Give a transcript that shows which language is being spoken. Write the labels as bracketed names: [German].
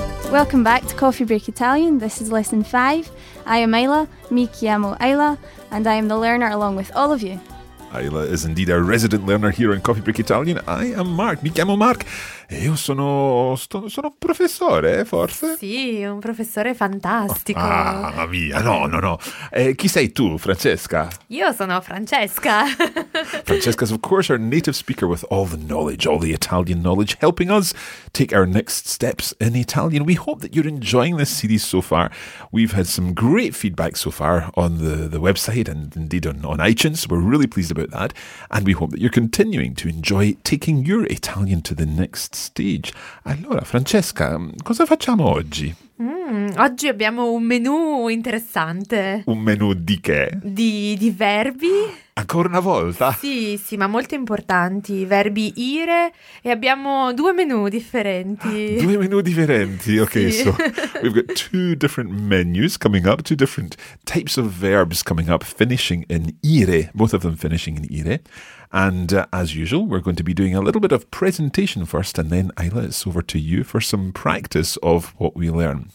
[English] Welcome back to Coffee Break Italian. This is Lesson 5. I am Ayla, [Italian] mi chiamo Ayla, [English] and I am the learner along with all of you. Ayla is indeed our resident learner here in Coffee Break Italian. I am Mark, [Italian] mi chiamo Mark. E io sono professore, forse? Sì, un professore fantastico. Oh, mamma mia, no. Chi sei tu, Francesca? Io sono Francesca. [English] Francesca's, of course, our native speaker with all the knowledge, all the Italian knowledge, helping us take our next steps in Italian. We hope that you're enjoying this series so far. We've had some great feedback so far on the website and indeed on iTunes. We're really pleased about that. And we hope that you're continuing to enjoy taking your Italian to the next stage. [Italian] Allora, Francesca, cosa facciamo oggi? Oggi abbiamo un menù interessante. Un menù di che? Di verbi. Ancora una volta? Sì, ma molto importanti. Verbi ire e abbiamo due menù differenti. Due menù differenti, ok. [English] So we've got two different menus coming up, two different types of verbs coming up, finishing in ire, both of them finishing in ire. And as usual, we're going to be doing a little bit of presentation first, and then Ayla, it's over to you for some practice of what we learn.